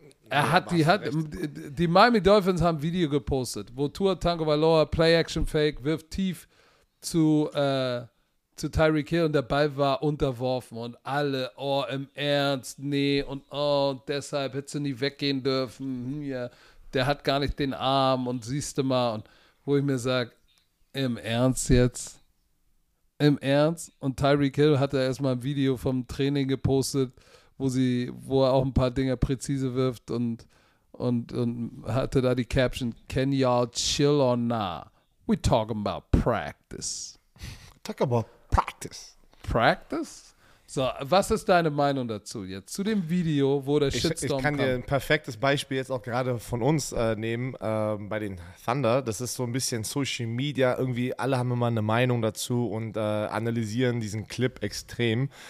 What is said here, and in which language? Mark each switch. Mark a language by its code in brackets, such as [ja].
[de] Die Miami Dolphins haben ein Video gepostet, wo Tua Tagovailoa Play-Action-Fake wirft tief zu Tyreek Hill und der Ball war unterworfen und alle, oh, im Ernst, nee, und oh, deshalb hättest du nie weggehen dürfen, ja, der hat gar nicht den Arm und siehste mal, und wo ich mir sage, im Ernst jetzt? Im Ernst? Und Tyreek Hill hat da erstmal ein Video vom Training gepostet, wo er auch ein paar Dinge präzise wirft und hatte da die Caption, [en] can y'all chill or nah? We talking about practice. Talk about practice. Practice? [de] So, was ist deine Meinung dazu jetzt? Zu dem Video, wo der Shitstorm kam. Ich kann kam. Dir ein perfektes Beispiel jetzt auch gerade von uns nehmen, bei den Thunder. Das ist so ein bisschen Social Media. Irgendwie alle haben immer eine Meinung dazu und analysieren diesen Clip extrem.